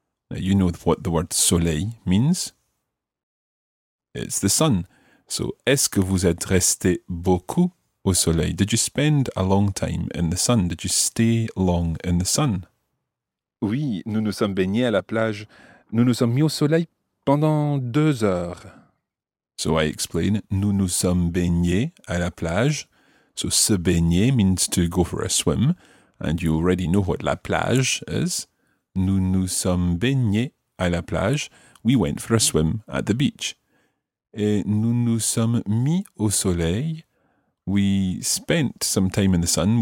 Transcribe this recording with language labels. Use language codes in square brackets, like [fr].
[en] Now you know what the word soleil means. It's the sun. So, [fr] est-ce que vous êtes resté beaucoup au soleil? [en] Did you spend a long time in the sun? Did you stay long in the sun? [fr] Oui, nous nous sommes baignés à la plage. Nous nous sommes mis au soleil pendant 2 heures. [en] So I explain, [fr] nous nous sommes baignés à la plage. [en] So se baigner means to go for a swim. And you already know what [fr] la plage is. Nous nous sommes baignés à la plage. [en] We went for a swim at the beach. [fr] Et nous nous sommes mis au soleil. [en] We spent some time in the sun.